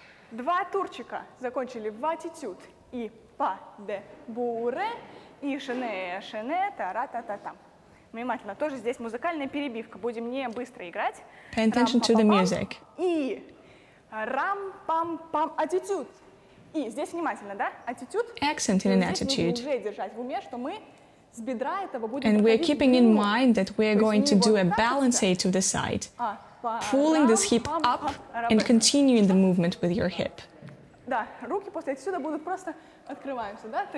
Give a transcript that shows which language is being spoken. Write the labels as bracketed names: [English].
[Russian] Два турчика закончили в аттитюд. И па де буре, и шене шене тара-та-та-там. Внимательно, тоже здесь музыкальная перебивка. Будем не быстро играть. [English] Pay attention to the music. [Russian] И рам-пам-пам аттитюд. И здесь внимательно, да? Attitude. [English] Accent in an attitude. [Russian] Уже держать в уме, что мы с бедра этого будем. [English] And we're keeping in mind that we are going to do a balance to the side. Pulling this hip up and continuing the movement with your hip. [Russian] Да, руки после отсюда будут просто открываемся, да?